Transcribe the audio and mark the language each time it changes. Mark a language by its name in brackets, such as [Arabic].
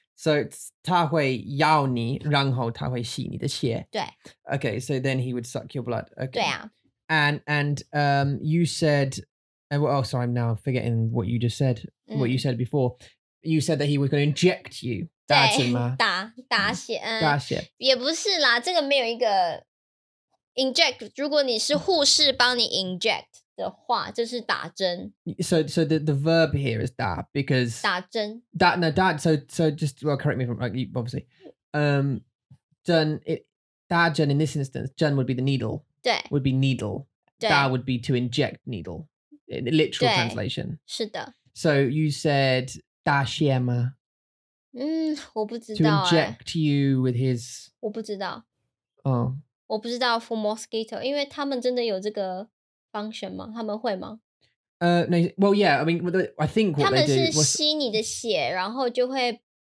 [Chinese] So, 他会咬你,然后他会吸你的血. 对. [English] Okay, so then he would suck your blood. Okay. [Chinese] 对啊. [English] And you said, oh, sorry, I'm now forgetting what you just said, what you said before. You said that he was going to inject you. [Chinese] 打针吗?打血。也不是啦, 这个没有一个... Inject, 如果你是护士帮你 inject 的话, 就是打针. [English] So the verb here is 打, because... [Chinese] 打针. [English] 打, no, 打, so just, well, correct me if I'm wrong, obviously. 针, 打针 in this instance, 针 would be the needle. [Chinese] 对. [English] Would be needle. [Chinese] 对. [English] 打 would be to inject needle. Literal 对.Translation. [Chinese] 是的. [English] So you said [Chinese] 打血吗? 我不知道. [English] To inject you with his... [Chinese] 我不知道. [English] Oh. [Chinese] 我不知道 [English] for mosquito, [Chinese] 因为他们真的有这个 function 吗?他们会吗? [English] No, well, yeah, I mean, I think what they do... [Chinese] 他们是吸你的血, 然后就会...